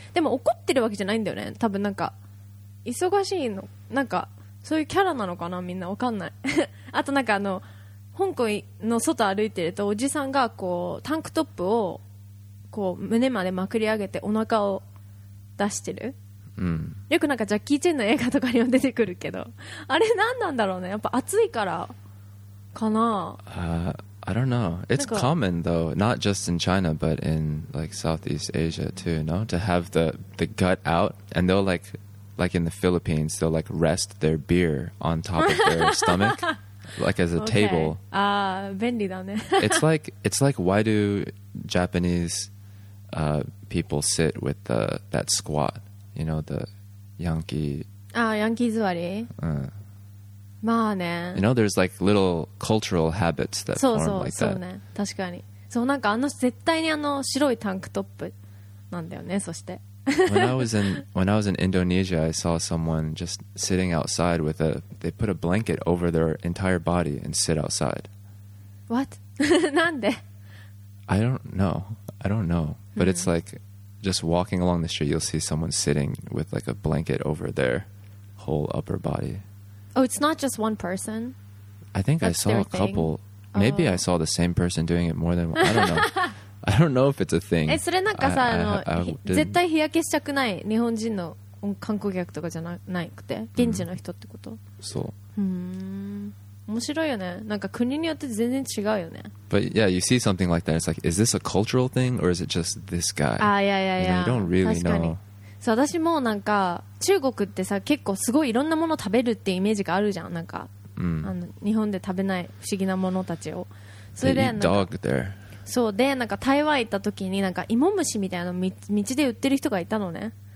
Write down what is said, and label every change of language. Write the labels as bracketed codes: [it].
[ja] でも怒ってるわけじゃないんだよね、多分なんか忙しいの、なんかそういうキャラなのかな、みんなわかんないあとなんかあの香港の外歩いてるとおじさんがこうタンクトップをこう胸までまくり上げてお腹を出してる、うん、よくなんかジャッキーチェンの映画とかにも出てくるけど、あれ何なんだろうね、やっぱ暑いからかな。 [en] I don't know. It's common though, not just in China, but in like Southeast Asia too, no? To have the gut out, and they'll like in the Philippines, they'll like rest their beer on top of their stomach, like as a table. [ja] Ah, 便利だね。 [en] It's like why do Japanese people sit with that squat? You know, the Yankee. [ja] Ah, Yankee 座り。まあね、 [en] you know, there's like little cultural habits that form like that. [ja] そうそうね、確かに。そう、なんかあの絶対にあの白いタンクトップなんだよね。そして。 [en] When I was in Indonesia, I saw someone just sitting outside with they put a blanket over their entire body and sit outside. What? [ja] なんで？ [en] I don't know. But it's like just walking along the street, you'll see someone sitting with like a blanket over their whole upper body. Oh, it's not just one person? I think、 That's、 I saw a couple.、 Thing. Maybe、oh. I saw the same person doing it more than one. I don't know. I don't know if it's a thing. [ja] え、それなんかさ、あの、絶対日焼けしたくない日本人の観光客とかじゃなくて、現地の人ってこと？そう。面白いよね。なんか国によって全然違うよね。 [en] But yeah, you see something like that, it's like, is this a cultural thing or is it just this guy? [ja] あ、いや。 [en] You don't really know. [ja] そう、私もなんか中国ってさ結構すごいいろんなもの食べるってイメージがあるじゃん、なんか、うん、あの日本で食べない不思議なものたちを。それでなんか、そうで、なんか台湾行った時になんか芋虫みたいなの道で売ってる人がいたのね。